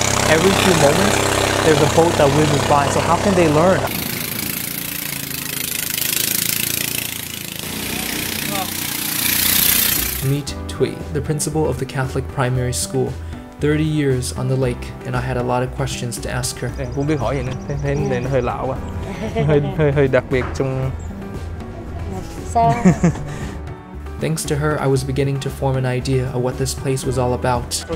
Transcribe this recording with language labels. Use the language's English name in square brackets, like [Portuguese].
[English] Every few moments, there's a boat that whizzes by, so how can they learn? Meet Thuy, the principal of the Catholic primary school. 30 years on the lake, and I had a lot of questions to ask her. [Vietnamese] Em cũng biết hỏi vậy nè, thấy này nó hơi lạ quá. Hơi đặc biệt trong... Sao? [English] Thanks to her, I was beginning to form an idea of what this place was all about.